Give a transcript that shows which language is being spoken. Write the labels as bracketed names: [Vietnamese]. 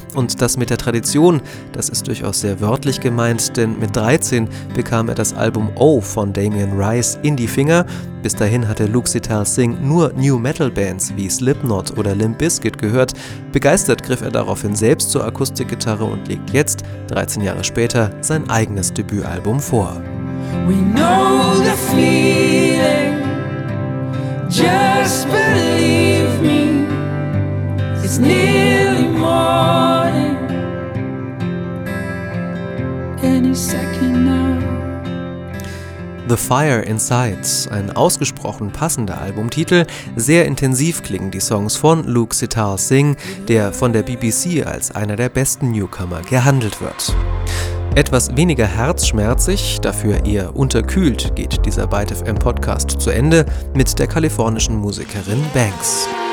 [German] Und das mit der Tradition, das ist durchaus sehr wörtlich gemeint, denn mit 13 bekam er das Album O von Damien Rice in die Finger. Bis dahin hatte Luke Sital Singh nur New Metal Bands wie Slipknot oder Limp Bizkit gehört. Begeistert griff er daraufhin selbst zur Akustikgitarre und legt jetzt, 13 Jahre später, sein eigenes Debütalbum vor. [English] We know the feeling, just believe me, it's nearly morning, any second now. [German] The Fire Inside, ein ausgesprochen passender Albumtitel. Sehr intensiv klingen die Songs von Luke Sital Singh, der von der BBC als einer der besten Newcomer gehandelt wird. Etwas weniger herzschmerzig, dafür eher unterkühlt, geht dieser ByteFM Podcast zu Ende mit der kalifornischen Musikerin Banks.